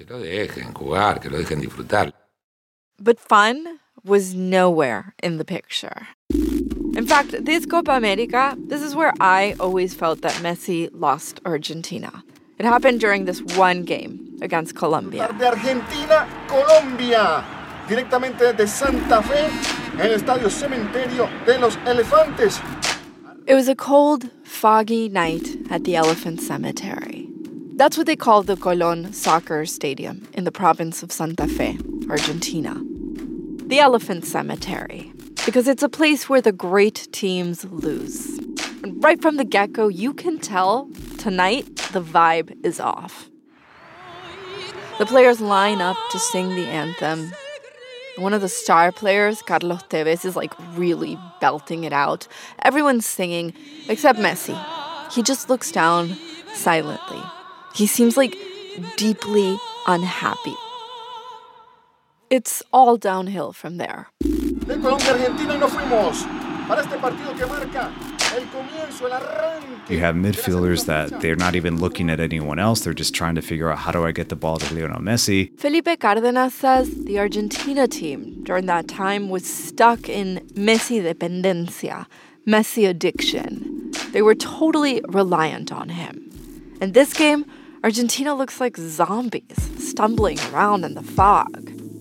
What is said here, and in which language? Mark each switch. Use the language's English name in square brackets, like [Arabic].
[English] But fun was nowhere in the picture. In fact, this Copa America, this is where I always felt that Messi lost Argentina. It happened during this one game against Colombia. [Spanish] Argentina, Colombia, directamente de Santa Fe, en el Estadio Cementerio de los Elefantes. [English] It was a cold, foggy night at the Elephant Cemetery. That's what they call the Colón Soccer Stadium in the province of Santa Fe, Argentina. The Elephant Cemetery. Because it's a place where the great teams lose. And right from the get-go, you can tell tonight the vibe is off. The players line up to sing the anthem. One of the star players, Carlos Tevez, is like really belting it out. Everyone's singing, except Messi. He just looks down silently. He seems like deeply unhappy. It's all downhill from there. [Spanish] De Colombia, Argentina, y nos fuimos para este partido que marca el comienzo, el arranque. [English] You have midfielders that they're not even looking at anyone else. They're just trying to figure out, how do I get the ball to Lionel Messi? Felipe Cárdenas says the Argentina team during that time was stuck in Messi dependencia, Messi addiction. They were totally reliant on him. In this game, Argentina looks like zombies stumbling around in the fog.